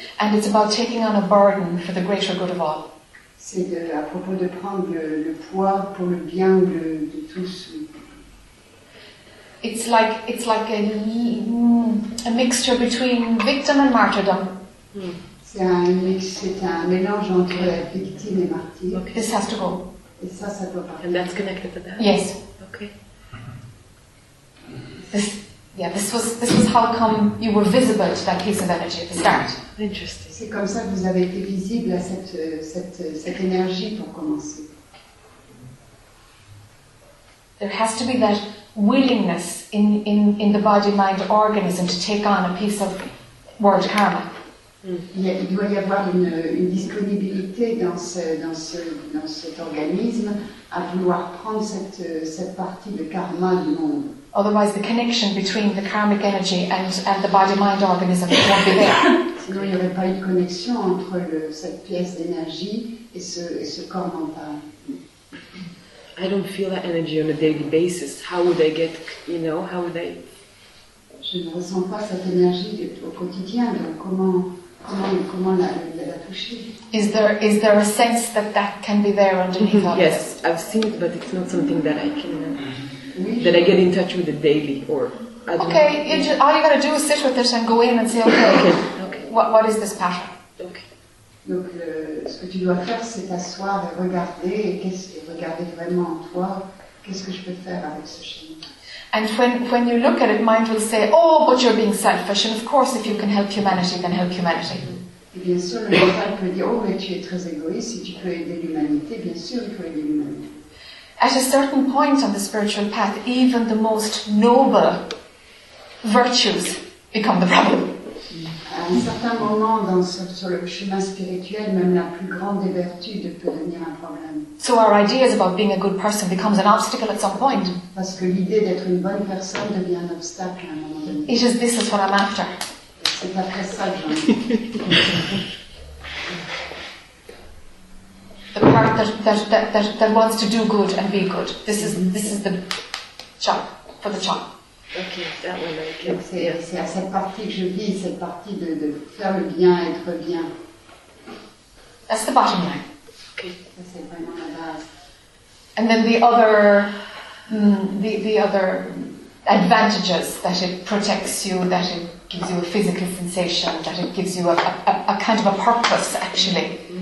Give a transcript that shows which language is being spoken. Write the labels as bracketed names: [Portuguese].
[English] And it's about taking on a burden for the greater good of all. [French] C'est à propos de prendre le poids pour le bien de tous. [English] It's like a mixture between victim and martyrdom. Mm. [French] C'est un mélange entre victime et martyr. [English] Okay. This has to go. [French] Et ça doit partir. [English] And that's connected to that. Yes. Okay. This was how come you were visible to that piece of energy at the start. Interesting. [French] C'est comme ça que vous avez été visible à cette énergie pour commencer. [English] There has to be that willingness in the body mind organism to take on a piece of world karma. [French] Il doit y avoir une disponibilité dans cet organisme à vouloir prendre cette partie de karma du monde. [English] Otherwise, the connection between the karmic energy and the body-mind organism won't be there. [French] Sinon, il n'y aurait pas une connexion entre cette pièce d'énergie et ce corps mental. [English] I don't feel that energy on a daily basis. How would I get, how would I? [French] Je ne ressens pas cette énergie au quotidien. Donc, comment la toucher? [English] Is there a sense that can be there underneath all this? Yes, I've seen it, but it's not something that I can. That I get in touch with it daily, or I don't okay. Know. All you gotta do is sit with it and go in and say, okay. What is this pattern? Okay. [French] Donc, ce que tu dois faire, c'est t'asseoir et regarder, regarder vraiment en toi. Qu'est-ce que je peux faire avec ce chemin? [English] And when you look at it, mind will say, oh, but you're being selfish. And of course, if you can help humanity, then help humanity. [French] Et bien sûr, le mental peut dire, oh, mais tu es très égoïste. Si tu peux aider l'humanité, bien sûr, il faut aider l'humanité. [English] At a certain point on the spiritual path, even the most noble virtues become the problem. [French] À un certain moment dans sur le chemin spirituel, même la plus grande des vertus peut devenir un problème. [English] So our ideas about being a good person becomes an obstacle at some point. [French] Parce que l'idée d'être une bonne personne devient un obstacle à un moment donné. [English] It is this is what I'm after. [French] C'est après ça que j'en [English] The part that wants to do good and be good. This is the job for the job. Okay, that one I can see. [French] C'est à cette partie que je vis, cette partie de faire le bien, être bien. [English] That's the bottom line. Okay. [French] Ça, c'est vraiment la base. [English] And then the other advantages that it protects you, that it gives you a physical sensation, that it gives you a kind of a purpose, actually.